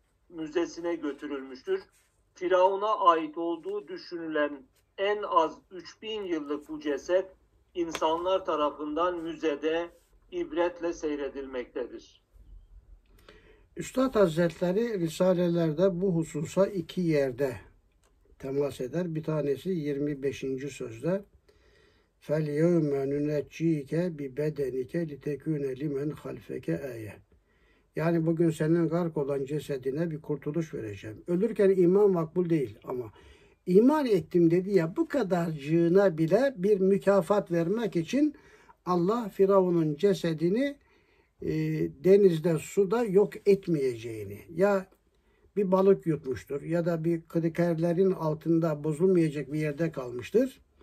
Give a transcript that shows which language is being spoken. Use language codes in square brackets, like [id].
[tr] Müzesine götürülmüştür. Firavun'a ait olduğu düşünülen en az 3000 yıllık bu ceset insanlar tarafından müzede ibretle seyredilmektedir. Üstad Hazretleri risalelerde bu hususa iki yerde temas eder. Bir tanesi 25. sözde [ar] فَالْيَوْمَ نُنَجِّيكَ بِبَدَنِكَ لِتَكُونَ لِمَنْ خَلْفَكَ اَيَا. [tr] Yani bugün senin gark olan cesedine bir kurtuluş vereceğim. Ölürken iman makbul değil ama iman ettim dedi ya, bu kadarcığına bile bir mükafat vermek için Allah Firavun'un cesedini denizde suda yok etmeyeceğini, ya bir balık yutmuştur ya da bir krikerlerin altında bozulmayacak bir yerde kalmıştır.